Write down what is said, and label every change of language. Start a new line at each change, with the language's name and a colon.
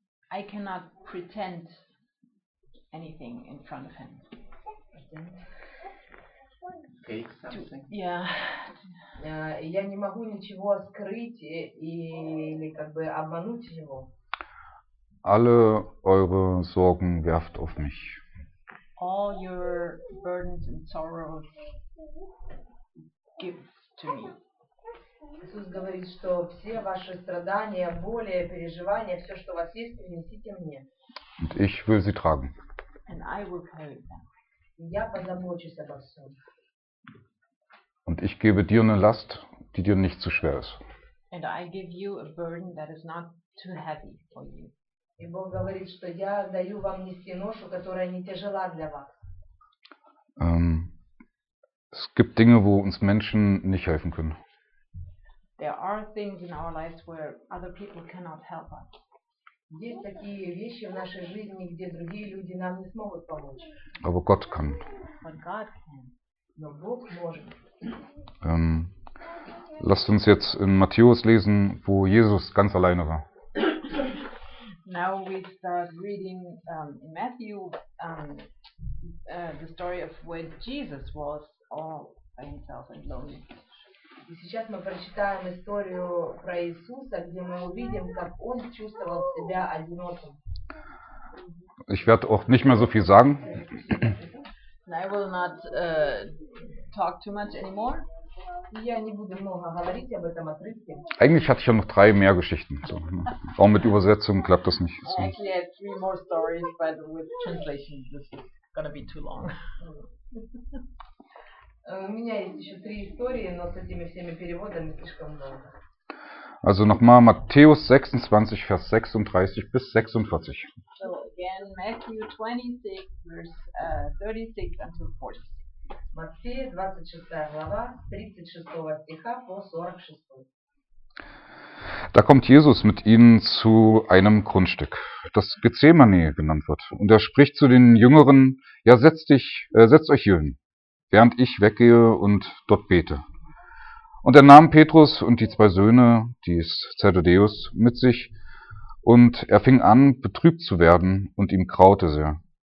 English: I cannot pretend anything in front of him.
Russian: Я не могу ничего скрыть или как бы обмануть его.
German: Alle eure Sorgen werft auf mich.
English: All your burdens and sorrows give to me.
Russian: Иисус говорит, что все ваши страдания, боли, переживания, все, что у вас есть, принесите мне.
German: Und ich will sie tragen.
English: And I will carry them.
Russian: Я позабочусь обо всем.
German: Und ich gebe dir eine Last, die dir nicht zu schwer ist.
English: And I give you a burden that is not too heavy for you.
Russian: И Бог говорит, что я даю вам нести ношу, которая не тяжела для вас.
German: Es gibt Dinge, wo uns Menschen nicht helfen können.
English: There are things in our lives where other people cannot help us.
Russian: Есть такие вещи в нашей жизни, где другие люди нам не смогут помочь.
German: Aber Gott kann.
English: But God can.
Russian: Но Бог может.
German: Lasst uns jetzt in Matthäus lesen, wo Jesus ganz alleine war.
English: Now we start reading in Matthew the story of when Jesus was all by himself and lonely.
Russian: И сейчас мы прочитаем историю про Иисуса, где мы увидим, как он чувствовал себя одиноким.
German: Ich werde auch nicht mehr so viel sagen.
English: I will not talk too much anymore.
Russian: Я не буду много говорить об этом отрывке.
German: Eigentlich hatte ich ja noch drei mehr Geschichten. So, ne? Auch mit Übersetzung klappt das nicht.
English: So. I actually have three more stories, but with translation this is gonna be too long.
Russian: У меня есть еще три истории, но с этими всеми переводами слишком долго.
German: Also nochmal Matthäus 26, Vers 36 bis 46.
English: So again, Matthew 26, verse 36 until 46.
Russian: Matthäus 26, глава, 36 стиха по 46.
German: Da kommt Jesus mit ihnen zu einem Grundstück, das Gethsemane genannt wird. Und er spricht zu den Jüngeren, ja, setzt euch hier hin, während ich weggehe und dort bete. Und er nahm Petrus und die zwei Söhne, dies Zebedäus, mit sich, und er fing an, betrübt zu werden, und ihm graute sehr.